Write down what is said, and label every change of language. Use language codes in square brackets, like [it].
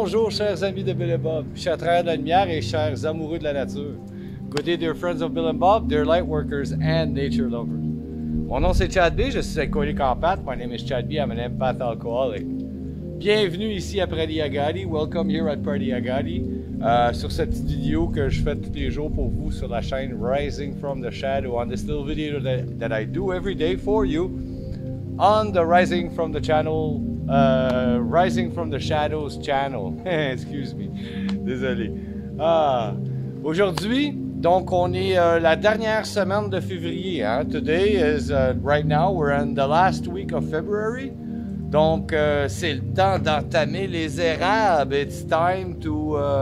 [fr] chers amis de Bill & Bob, chers travailleurs de la lumière et chers amoureux de la nature. [en] Good day, dear friends of Bill & Bob, dear lightworkers and nature lovers. [fr] Mon nom c'est Chad B, je suis alcoolique en pâte. [en] My name is Chad B, I'm an empath alcoholic. [fr] Bienvenue ici à Prairie Agati, [en] welcome here at Prairie Agati, [fr] sur cette petite vidéo que je fais tous les jours pour vous sur la chaîne Rising from the Shadow, [en] on this little video that I do every day for you, on the Rising from the Channel. Rising from the Shadows channel. Excuse me. [fr] Désolé. Aujourd'hui, donc on est la dernière semaine de février. Hein? [en] Today is right now, we're in the last week of February. [fr] Donc c'est le temps d'entamer les érables. [en] It's time to...